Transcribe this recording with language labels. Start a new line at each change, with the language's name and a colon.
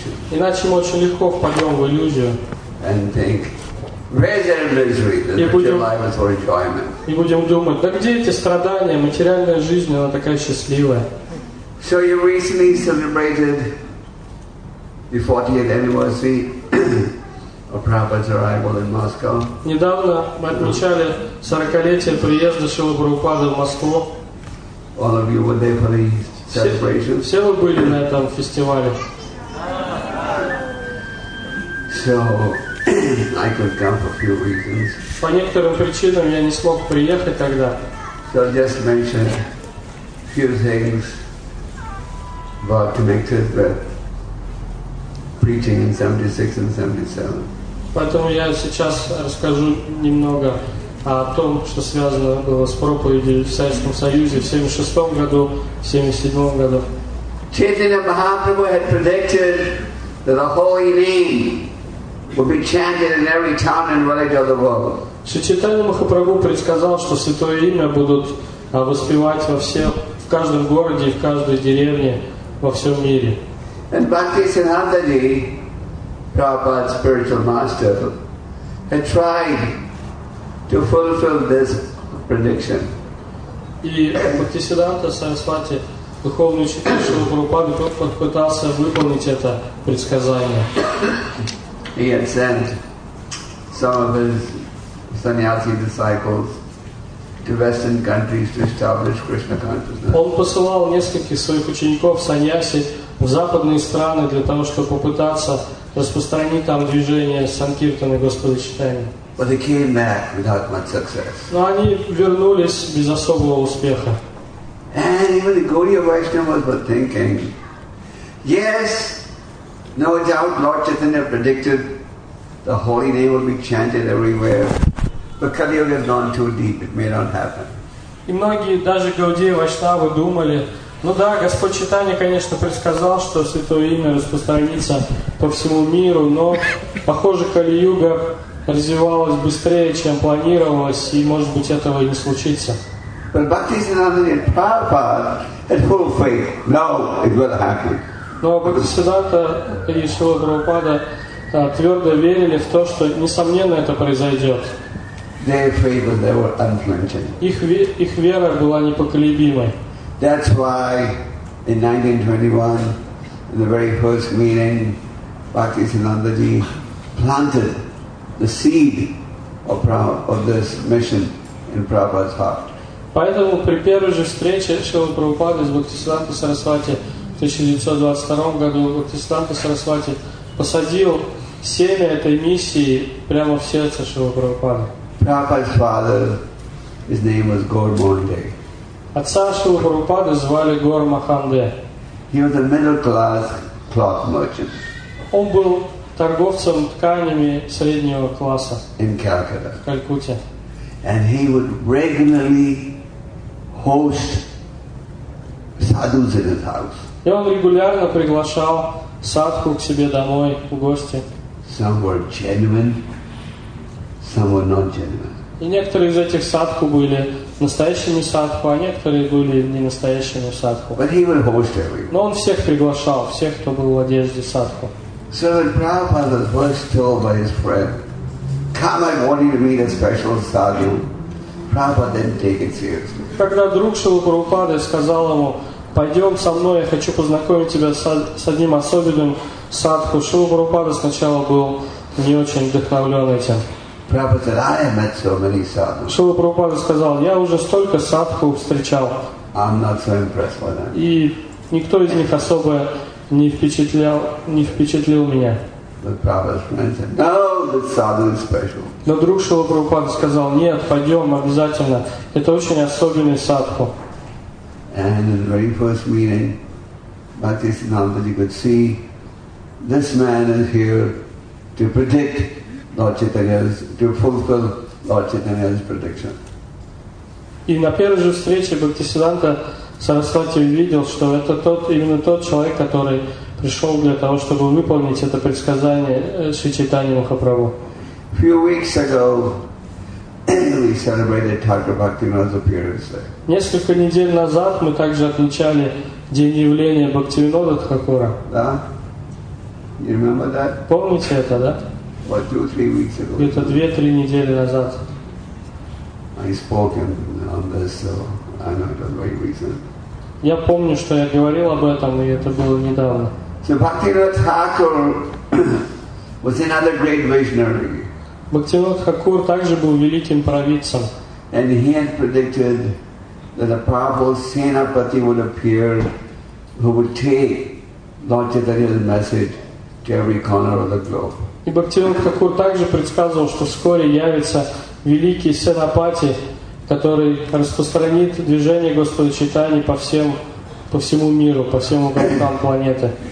Russian: Иначе мы очень легко впадем в иллюзию.
English: And think, where's that misery that life is for enjoyment?
Russian: И будем думать, да где эти страдания, материальная жизнь, она такая счастливая.
English: So you recently celebrated the 40th anniversary of Prabhupada's arrival in Moscow.
Russian: Недавно мы отмечали 40-летие приезда Шрилы Прабхупады в Москву.
English: All of you were there for the celebration.
Russian: Все вы были на этом фестивале.
English: So I couldn't come for a few reasons.
Russian: По некоторым причинам я не смог приехать тогда.
English: So I'll just mention a few things about connected with preaching in 76 and 77.
Russian: Поэтому я сейчас расскажу немного о том, что связано было с проповедью в Советском Союзе в 76 году, в 77 году.
English: Chaitanya Mahaprabhu had predicted that the holy name would be chanted in every town and village of the world.
Russian: Chaitanya Mahaprabhu предсказал, что святое имя будут воспевать во всем, в каждом городе и в каждой деревне во всем мире.
English: And Bhakti Siddhanta Ji, Prabhupada's spiritual master, had tried to fulfill this prediction.
Russian: И Бхакти Сиддханта Сарасвати, духовный учитель Шрилы Прабхупады, тот попытался выполнить это предсказание.
English: He had sent some of his sannyasi disciples to Western countries to establish Krishna consciousness.
Russian: Он посылал нескольких своих учеников саньяси в западные страны для того, чтобы попытаться распространить там движение санкиртаны Господа Читания.
English: But they came back without much success.
Russian: Но они вернулись без особого успеха.
English: And even the Gaudiya Vaishnavas were thinking, yes, no doubt Lord Chaitanya predicted the holy name will be chanted everywhere. But Kali Yuga has gone too deep, it may not happen.
Russian: И многие, даже Гаудия Вайшнавы, думали, ну да, Господь Читания, конечно, предсказал, что святое имя распространится по всему миру, но, похоже, Кали-Юга развивалась быстрее, чем планировалось, и, может быть, этого и не случится.
English: But Bhakti Siddhanta Ji, Prabhupada had full faith. No, it will happen.
Russian: Но Бхакти Сиддханта и Шрила Прабхупада твердо верили в то, что, несомненно, это произойдет.
English: Their faith was never unflinching.
Russian: Их вера была непоколебимой.
English: That's why in 1921, in the very first meeting, Bhakti Siddhanta Ji planted the seed of this mission in Prabhupada's heart.
Russian: Поэтому при первой же встрече Шрилы Прабхупады с Бхакти Сиддханта Сарасвати в 1922 году Бхакти Сиддханта Сарасвати посадил семя этой миссии прямо в сердце Шрилы Прабхупады.
English: Prabhupada's father, his name was Gormande.
Russian: Отца Шрилы Прабхупады звали Гор Маханде.
English: He was a middle-class cloth merchant.
Russian: Он был торговцем тканями среднего класса
English: in Calcutta.
Russian: В Калькутте.
English: And he would regularly host sadhus in his house.
Russian: И он регулярно приглашал садху к себе домой в гости.
English: Some were genuine, some were not genuine.
Russian: И некоторые из этих садху были настоящими садху, а некоторые были не настоящими садху.
English: But he would host everyone.
Russian: Но он всех приглашал, всех, кто был в одежде садху.
English: So when Prabhupada was first told by his friend, "Come, I want you to meet a special sadhu," Prabhupada didn't take it seriously.
Russian: Когда друг Шрила Прабхупады сказал ему, "Пойдем со мной, я хочу познакомить тебя с одним особенным садху," Шрила Прабхупада сначала был не очень вдохновлен этим.
English: Prabhupada said, "I have met so many sadhus."
Russian: Шрила Прабхупада сказал, "Я уже столько садху встречал."
English: I'm not so impressed by them.
Russian: И никто из них особо не впечатлил меня.
English: But Prabhupada's friend said, "No, this sadhu is special."
Russian: Но друг Шрила Прабхупада сказал, "Нет, пойдем обязательно. Это очень особенный садху."
English: And in the very first meeting, Bhakti Siddhanta could see this man is here to predict Lord Chaitanya's, to fulfill Lord Chaitanya's prediction.
Russian: И на первой же встрече Бхактисиданта Сарасвати увидел, что это тот, именно тот человек, который пришел для того, чтобы выполнить это предсказание Шри Чайтаньи Махапрабху.
English: A few weeks ago, we celebrated Thakur Bhaktivinoda's appearance there.
Russian: Несколько недель назад мы также отмечали день явления Бхактивинода Тхакура. Да?
English: You remember that?
Russian: Помните это, да?
English: What, 2-3 weeks ago?
Russian: Это 2-3 недели назад.
English: I spoke on this, so I know it was very recent.
Russian: Я помню, что я говорил об этом, и это было недавно.
English: So Bhaktivinoda Thakur was another great visionary.
Russian: Бхактивинода Тхакур также был великим провидцем.
English: And he had predicted that a powerful Senapati would appear who would take Lord Chaitanya's message to every corner of the globe.
Russian: И Бхактивинода Тхакур также предсказывал, что вскоре явится великий Сенапати, который распространит движение Господа Чайтаньи по всему миру, по всем уголкам планеты.